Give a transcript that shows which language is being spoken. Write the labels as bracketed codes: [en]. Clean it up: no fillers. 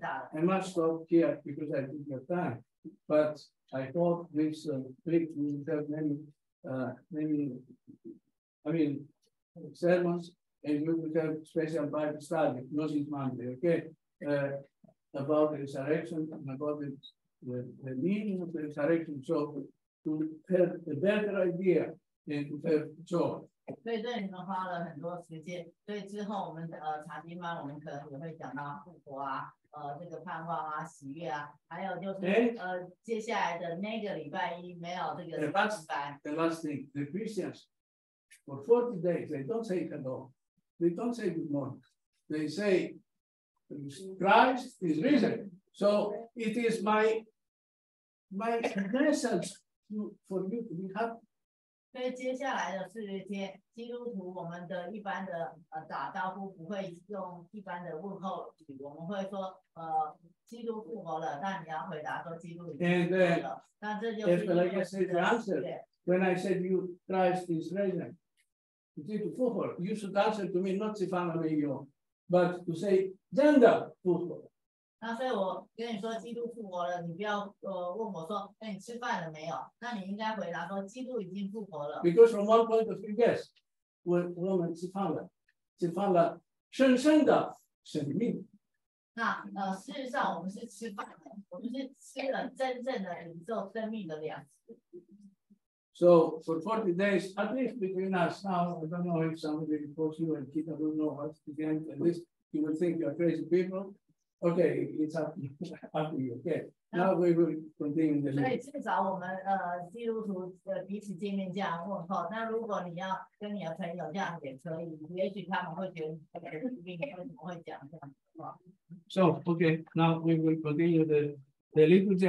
[en] So, I must stop here because I didn't have time. But I thought this week we have many sermons, and we will have special Bible study, not this Monday, okay? About the resurrection and about the meaning of the resurrection. So to have a better idea and to have joy. [zh] 对，这里面花了很多时间，所以之后我们查经班，我们可能也会讲到复活啊，这个盼望啊，喜悦啊，还有就是接下来的那个礼拜一没有这个查经班。 [en] The last thing, the Christians for 40 days they don't say hello, they don't say good morning, they say Christ is risen. So it is my message for you to be happy. [zh] 所以接下来的四十天，基督徒我们的一般的打招呼不会用一般的问候语，我们会说基督复活了，那你要回答说基督已经复活了。那这就是一个四十天。 [en] When I said you Christ is risen, Jesus [zh] 复活了 [en] ，you should answer to me not to follow me you, but to say [zh] 真的复活了。那所以我跟你说基督复活了，你不要问我说，哎，你吃饭了没有？那你应该回答说，基督已经复活了。 [en] Because from one point of view, yes, [zh] 我们吃饭了，深深的生命。那事实上我们是吃饭了，我们是吃了真正的领受生命的粮食。 [en] So for 40 days, at least between us now, I don't know if somebody reports you and Kita don't know what's again. At least you will think you're crazy people. Okay, it's up to you. Okay, now we will continue the meeting. [zh] 所以至少我们基督徒彼此见面这样问候。那如果你要跟你的朋友这样也可以，也许他们会觉得你为什么会讲这样的话。 [en] So okay, now we will continue the liturgy.